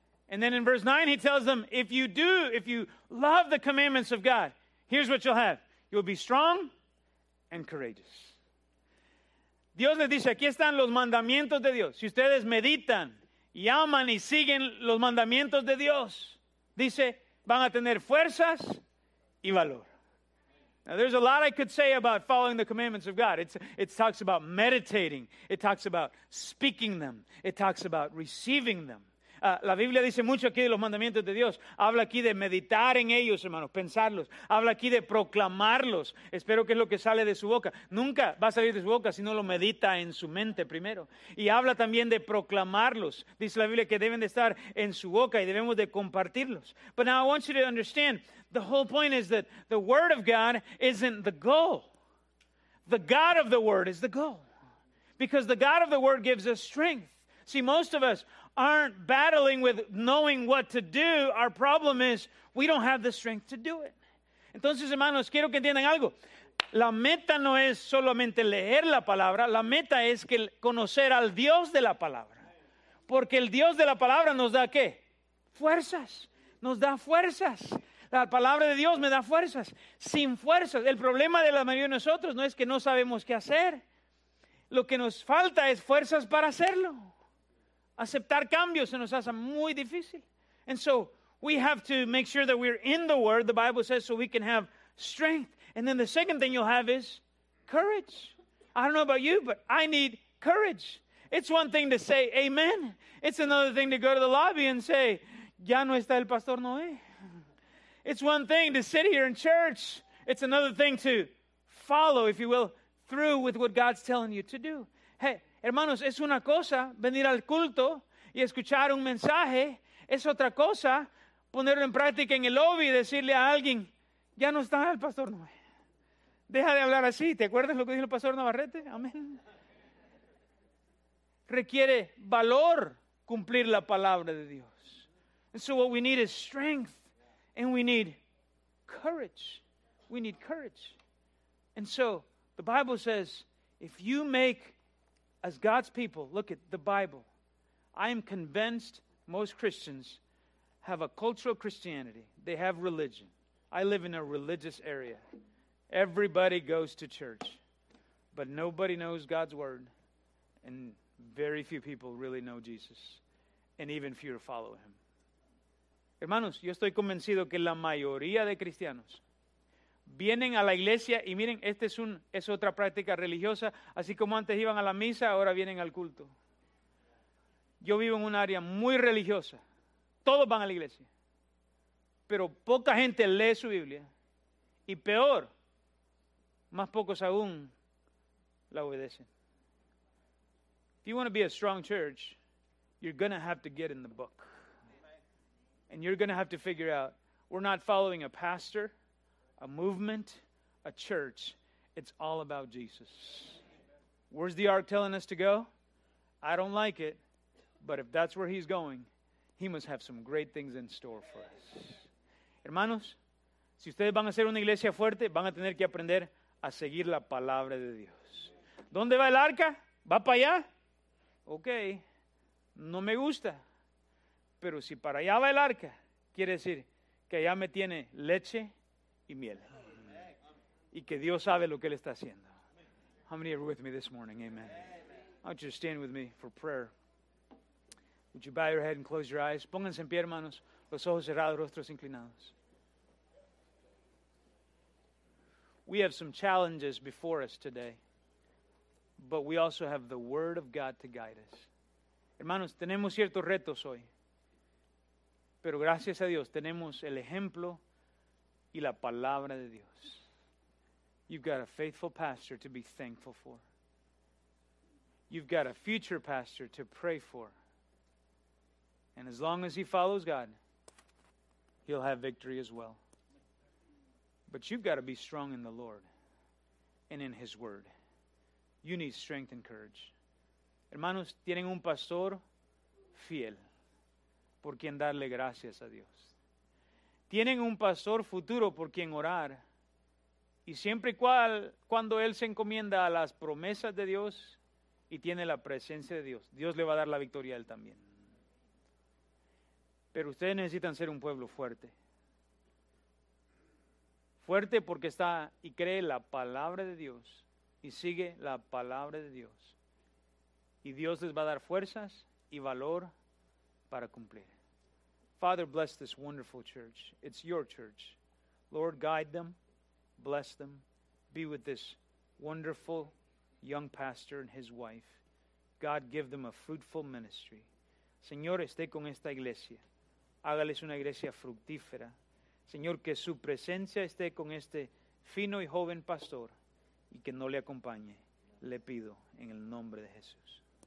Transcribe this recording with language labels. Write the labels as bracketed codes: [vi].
[en] And then in verse 9 he tells them, if you love the commandments of God, here's what you'll have. You'll be strong and courageous. [es] Dios les dice, aquí están los mandamientos de Dios. Si ustedes meditan y aman y siguen los mandamientos de Dios, dice, van a tener fuerzas y valor. [en] Now, there's a lot I could say about following the commandments of God. It talks about meditating. It talks about speaking them. It talks about receiving them. [es] La Biblia dice mucho aquí de los mandamientos de Dios. Habla aquí de meditar en ellos, hermanos, pensarlos. Habla aquí de proclamarlos. Espero que es lo que sale de su boca. Nunca va a salir de su boca si no lo medita en su mente primero. Y habla también de proclamarlos. Dice la Biblia que deben de estar en su boca y debemos de compartirlos. [en] But now I want you to understand, the whole point is that the Word of God isn't the goal. The God of the Word is the goal. Because the God of the Word gives us strength. See, most of us aren't battling with knowing what to do. Our problem is we don't have the strength to do it. [es] Entonces, hermanos, quiero que entiendan algo. La meta no es solamente leer la palabra. La meta es que conocer al Dios de la palabra. Porque el Dios de la palabra nos da ¿qué? Fuerzas. Nos da fuerzas. La palabra de Dios me da fuerzas. Sin fuerzas. El problema de la mayoría de nosotros no es que no sabemos qué hacer. Lo que nos falta es fuerzas para hacerlo. Aceptar cambios se nos hace muy difícil. [en] And so we have to make sure that we're in the Word, the Bible says, so we can have strength. And then the second thing you'll have is courage. I don't know about you, but I need courage. It's one thing to say amen. It's another thing to go to the lobby and say, [es] ya no está el Pastor Noé. [en] It's one thing to sit here in church. It's another thing to follow, if you will, through with what God's telling you to do. [es] Hey, hermanos, es una cosa venir al culto y escuchar un mensaje. Es otra cosa ponerlo en práctica en el lobby y decirle a alguien, ya no está el Pastor Noé. Deja de hablar así. ¿Te acuerdas lo que dijo el Pastor Navarrete? Amén. Requiere valor cumplir la palabra de Dios. [en] And so what we need is strength and we need courage. We need courage. And so the Bible says, if you make as God's people, look at the Bible. I am convinced most Christians have a cultural Christianity. They have religion. I live in a religious area. Everybody goes to church. But nobody knows God's Word. And very few people really know Jesus. And even fewer follow Him. [es] Hermanos, yo estoy convencido que la mayoría de cristianos vienen a la iglesia y miren, esta es otra práctica religiosa. Así como antes iban a la misa, ahora vienen al culto. Yo vivo en un área muy religiosa. Todos van a la iglesia. Pero poca gente lee su Biblia. Y peor, más pocos aún la obedecen. [en] If you want to be a strong church, you're going to have to get in the book. And you're going to have to figure out, we're not following a pastor, a movement, a church. It's all about Jesus. Where's the ark telling us to go? I don't like it, but if that's where he's going, he must have some great things in store for us. [es] Hermanos, si ustedes van a ser una iglesia fuerte, van a tener que aprender a seguir la palabra de Dios. ¿Dónde va el arca? ¿Va para allá? Okay, no me gusta. Pero si para allá va el arca, quiere decir que allá me tiene leche y miel. Y que Dios sabe lo que Él está haciendo. [en] How many are with me this morning? Amen. Why don't you stand with me for prayer? Would you bow your head and close your eyes? [es] Pónganse en pie, hermanos. Los ojos cerrados, rostros inclinados. [en] We have some challenges before us today, but we also have the Word of God to guide us. [es] Hermanos, tenemos ciertos retos hoy, pero gracias a Dios tenemos el ejemplo y la palabra de Dios. [en] You've got a faithful pastor to be thankful for. You've got a future pastor to pray for. And as long as he follows God, he'll have victory as well. But you've got to be strong in the Lord and in His Word. You need strength and courage. [es] Hermanos, tienen un pastor fiel por quien darle gracias a Dios. Tienen un pastor futuro por quien orar. Y siempre y cuando él se encomienda a las promesas de Dios y tiene la presencia de Dios, Dios le va a dar la victoria a él también. Pero ustedes necesitan ser un pueblo fuerte. Fuerte porque está y cree la palabra de Dios y sigue la palabra de Dios. Y Dios les va a dar fuerzas y valor para cumplir. [en] Father, bless this wonderful church. It's your church. Lord, guide them. Bless them. Be with this wonderful young pastor and his wife. God, give them a fruitful ministry. [es] Señor, esté con esta iglesia. Hágales una iglesia fructífera. Señor, que su presencia esté con este fino y joven pastor y que no le acompañe. Le pido en el nombre de Jesús.